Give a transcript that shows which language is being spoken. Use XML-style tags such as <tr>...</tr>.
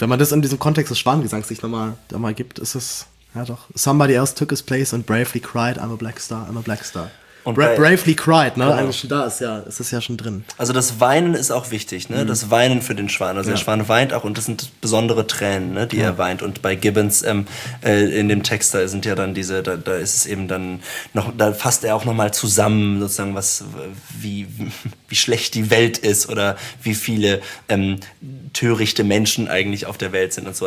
<de>Wenn man das in diesem Kontext des Schwanengesangs sich nochmal gibt, ist es, ja doch.</de> <en>Somebody else took his place and bravely cried, I'm a black star, I'm a black star.</en> <de>Und</de> <en>bravely cried,</en> <de>ne? Genau. Schon da ist, ja, es ist ja schon drin. Also das Weinen ist auch wichtig, ne? Das Weinen für den Schwan. Also ja. Der Schwan weint auch und das sind besondere Tränen, ne, die er weint. Und bei Gibbons in dem Text, da sind ja dann diese, da ist es eben dann noch, da fasst er auch nochmal zusammen, sozusagen, was, wie schlecht die Welt ist oder wie viele törichte Menschen eigentlich auf der Welt sind und so.</de>